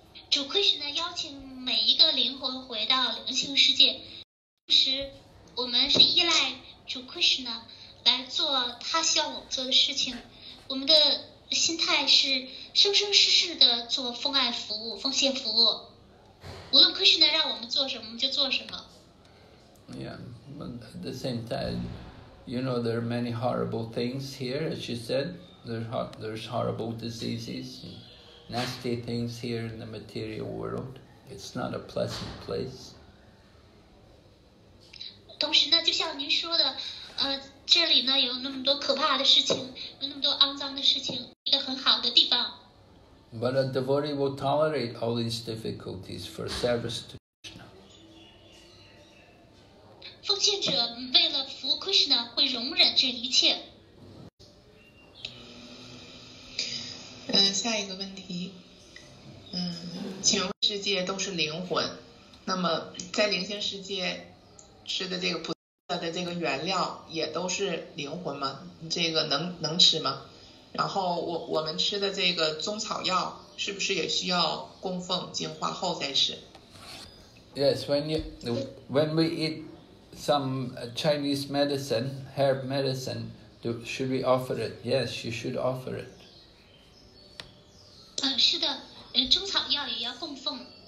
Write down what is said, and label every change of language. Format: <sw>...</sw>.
<zh>主 Krishna 邀请每一个灵魂回到灵性世界，同时我们是依赖主 Krishna 来做他希望我们做的事情，我们的心态是生生世世的做奉爱服务、奉献服务，无论 Krishna 让我们做什么，我们就做什么。</zh> <en>Yeah, but at the same time, you know there are many horrible things here, as you said. There's horrible diseases, nasty things here in the material world. It's not a pleasant place.</en> <zh>同时呢，就像您说的，这里呢有那么多可怕的事情，有那么多肮脏的事情，一个很好的地方。</zh> <en>But a devotee will tolerate all these difficulties for service to Krishna.</en> <zh>奉献者为了服务 Krishna 会容忍这一切。下一个问题，请问世界都是灵魂，那么在灵性世界。吃的这个菩萨的这个原料也都是灵魂吗？这个能吃吗？然后我们吃的这个中草药是不是也需要供奉净化后再吃</zh> <en>？Yes, when we eat some Chinese medicine, herb medicine, should we offer it? Yes, you should offer it.</en> <zh>是的，中草药也要供奉。</zh>